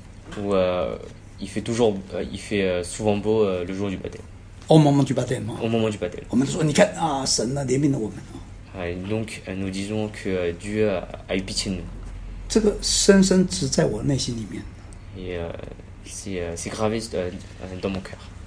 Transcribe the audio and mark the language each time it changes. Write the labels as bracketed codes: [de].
[fr] il fait souvent beau le jour du baptême. Au moment du baptême. On dit, regarde, ah, [zh] 神啊,怜悯了我们. [fr] Donc, nous disons que Dieu a eu pitié de nous. [zh] 这个深深植在我内心里面. [fr] C'est gravé dans mon cœur.